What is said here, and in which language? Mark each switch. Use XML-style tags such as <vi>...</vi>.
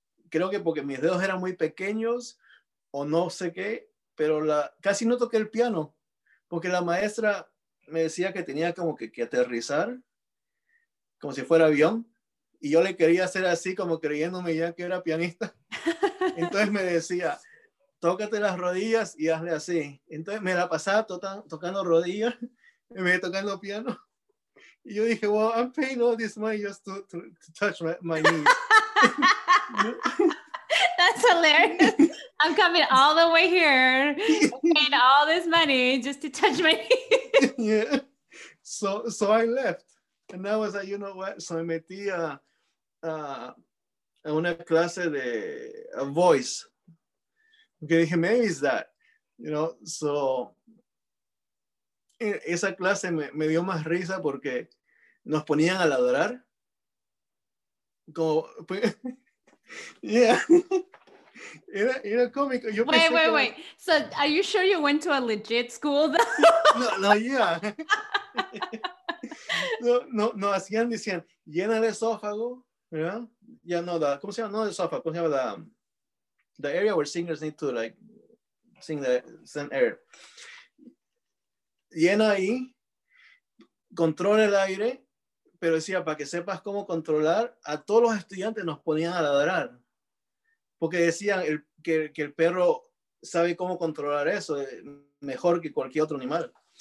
<es>Creo que porque mis dedos eran muy pequeños o no sé qué, pero casi no toqué el piano, porque la maestra me decía que tenía como que aterrizar, como si fuera avión, y yo le quería hacer así como creyéndome ya que era pianista. Entonces me decía, tócate las rodillas y hazle así. Entonces me la pasaba tocando rodillas, me iba tocando piano. Y yo dije,</es> <en>well, I'm paying all this money just to touch my knee. That's hilarious. I'm coming all the way here, paying all this money just to touch my knee. Yeah. So I left. And I was like, you know what?</en> <es>So I metí a una clase de a voice. Okay, dije,</es> <en>maybe it's that. You know,</en> <es>so esa clase me dio más risa porque nos ponían a ladrar. Como,</es> <en>yeah.</en> <es>Era cómico. Yo</es> <en>wait,</en> <es>pensé</es> <en>wait,</en> <es>como,</es> <en>wait. So are you sure you went to a legit school though? No, yeah.</en> <es>No, hacían, decían, llena el esófago, ¿verdad? Ya no, ¿cómo se llama? No el esófago, ¿cómo se llama?</es> <en>The area where singers need to, like, sing the send air.</en> <es>Llena ahí, controla el aire, pero decía, para que sepas cómo controlar, a todos los estudiantes nos ponían a ladrar. Porque decían que el perro sabe cómo controlar eso, mejor que cualquier otro animal.</es>